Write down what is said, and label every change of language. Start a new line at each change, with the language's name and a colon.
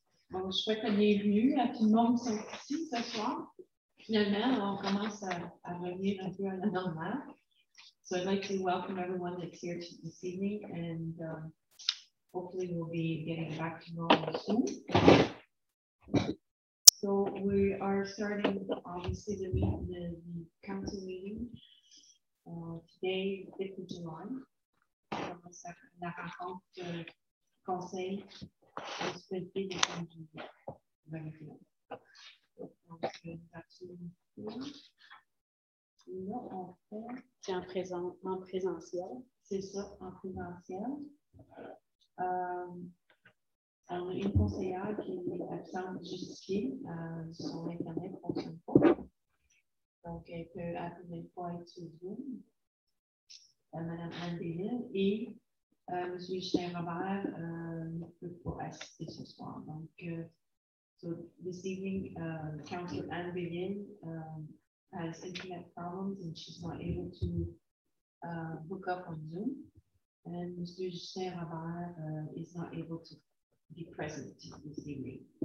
French: Bon, je souhaite la bienvenue à tout le monde qui sont ici ce soir. Finalement, on commence à revenir un peu à la normale.
English: So I'd like to welcome everyone that's here this evening and hopefully we'll be getting back to normal soon. So we are starting, obviously, the meeting, the council meeting today, 5th of July.
French: La rencontre du conseil de sécurité des conduits. Donc, là, on fait. C'est en présentiel. C'est ça, en présentiel. On a une conseillère qui est absente du ski. Son internet ne fonctionne pas. Donc, elle peut appeler pas être sur Zoom. Madame Anne Bélin et M. Justin Robert ne peut pas assister ce soir.
English: Donc, so this evening, Councillor Anne Bélin has internet problems and she's not able to book up on Zoom. And M. Justin Robert is not able to be present this evening.